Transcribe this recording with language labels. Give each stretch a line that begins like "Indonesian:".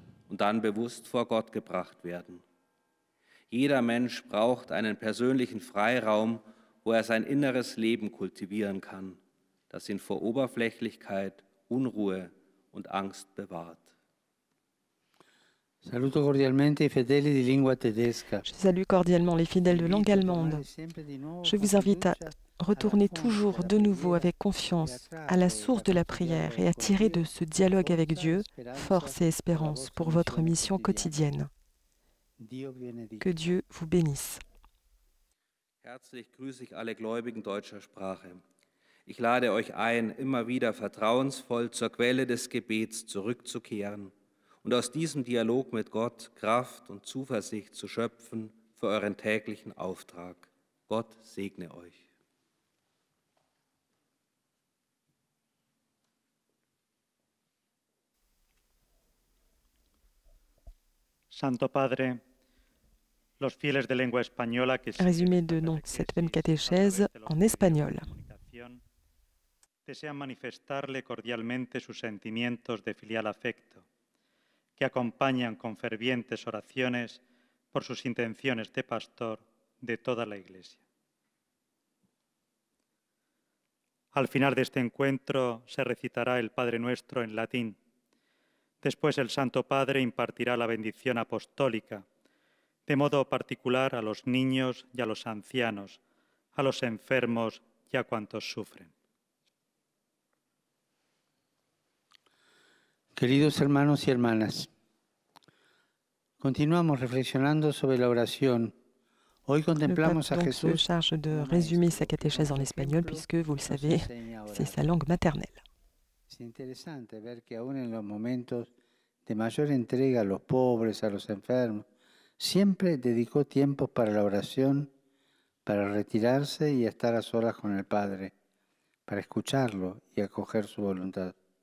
German: Und dann bewusst vor Gott gebracht werden. Jeder Mensch braucht einen persönlichen Freiraum, wo er sein inneres Leben kultivieren kann, das ihn vor Oberflächlichkeit, Unruhe und Angst bewahrt.
Italian: Saluto cordialmente i fedeli di lingua tedesca.
French: Je salue cordialement les fidèles de langue allemande. Je vous invite à retourner toujours de nouveau avec confiance à la source de la prière et à tirer de ce dialogue avec Dieu force et espérance pour votre mission quotidienne. Que Dieu vous bénisse.
German: Herzlich grüße ich alle Gläubigen deutscher Sprache. Ich lade euch ein, immer wieder vertrauensvoll zur Quelle des Gebets zurückzukehren und aus diesem Dialog mit Gott Kraft und Zuversicht zu schöpfen für euren täglichen Auftrag. Gott segne euch.
Spanish: Santo Padre, los fieles de lengua española que
French: résumé de donc cette même catéchèse en espagnol.
Spanish: Desean manifestarle cordialmente sus sentimientos de filial afecto, que acompañan con fervientes oraciones por sus intenciones de pastor de toda la Iglesia. Al final de este encuentro se recitará el Padre Nuestro en latín. Después el Santo Padre impartirá la bendición apostólica, de modo particular a los niños y a los ancianos, a los enfermos y a cuantos sufren. Queridos hermanos y hermanas, continuamos reflexionando sobre la oración. Hoy contemplamos a Jesús.
French: Le pape se charge de résumer sa catéchèse en espagnol puisque, vous le savez, c'est sa langue maternelle. C'est intéressant de voir que,
Spanish: aun en los momentos de mayor entrega a los pobres, a los enfermos, siempre dedicó tiempo para la oración, para retirarse y estar a solas con el Padre, para escucharlo y acoger su voluntad.